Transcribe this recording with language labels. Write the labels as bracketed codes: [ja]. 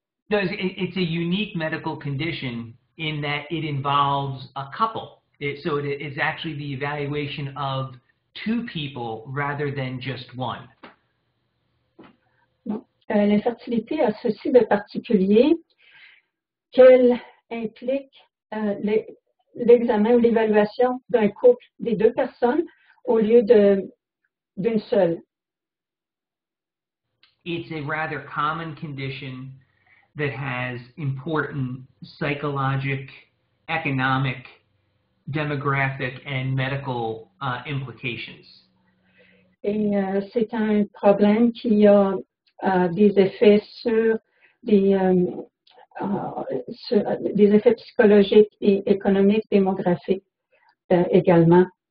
[en] It's a unique medical condition in that it involves a couple. It's actually the evaluation of two people rather than just one. [fr] L'infertilité a ceci de particulier qu'elle implique l'examen ou l'évaluation d'un couple des deux personnes au lieu d'une seule. [en] It's a rather common condition that has important psychologic, economic, demographic and medical implications. [fr] Et c'est un problème qui a des effets sur des effets psychologiques et économiques, démographiques également.